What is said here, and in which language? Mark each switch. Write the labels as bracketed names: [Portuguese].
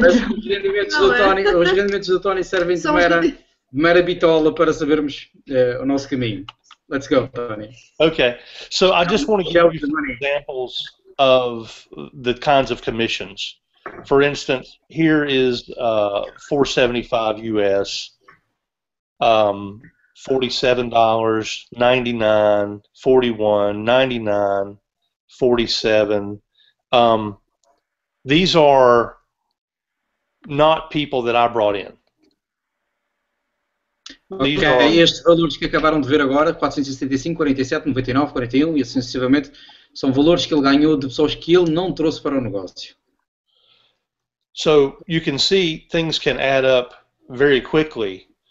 [Portuguese] Os rendimentos do Tony servem de mera bitola para sabermos o nosso caminho. [English] Let's go, Tony. Okay, so I just want to give you some examples of the kinds of commissions. For instance, here is $475 US, $47, $99, $41, $99, $47. These are not people that I brought in. [Portuguese] Okay, estes valores que acabaram de ver agora, 475, 47, 99, 41 e assim sucessivamente, são valores que ele ganhou de pessoas que ele não trouxe para o negócio. [English] So you can see things can add up very quickly.